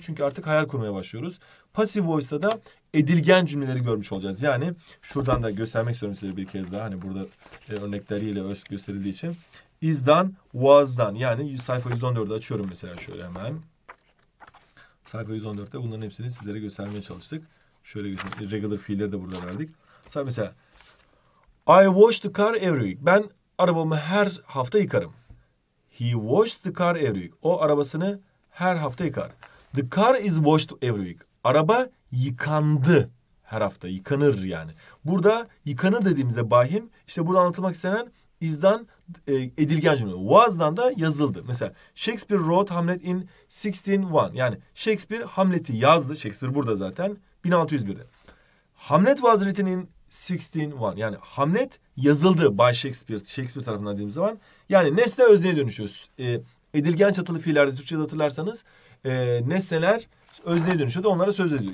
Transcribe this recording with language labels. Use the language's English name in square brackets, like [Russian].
[Turkish] Çünkü artık hayal kurmaya başlıyoruz. Passive voice'da da edilgen cümleleri görmüş olacağız. Yani şuradan da göstermek istiyorum size bir kez daha. Hani burada örnekleriyle öz gösterildiği için. [English] Is done, was done. [Turkish] Yani sayfa 114'ü açıyorum mesela şöyle hemen. Sayfa 114'te bunların hepsini sizlere göstermeye çalıştık. Şöyle göstereyim. Regular fiilleri de burada verdik. [English] Mesela I wash the car every week. [Turkish] Ben arabamı her hafta yıkarım. [English] He washes the car every week. [Turkish] O arabasını her hafta yıkar. [English] The car is washed every week. [Turkish] Araba yıkandı her hafta. Yıkanır yani. Burada yıkanır dediğimizde bahim işte burada anlatılmak istenen is done edilgen cümle. Was'dan da yazıldı. [English] Mesela Shakespeare wrote Hamlet in 1601. [Turkish] Yani Shakespeare Hamlet'i yazdı. Shakespeare burada zaten. 1601'de. [English] Hamlet was written in 1601. [Turkish] Yani Hamlet yazıldı by Shakespeare. Shakespeare tarafından dediğimiz zaman. Yani nesne özneye dönüşüyoruz. Edilgen çatılı fiillerde Türkçe'de hatırlarsanız nesneler özneye dönüşüyor da onlara söz ediyor.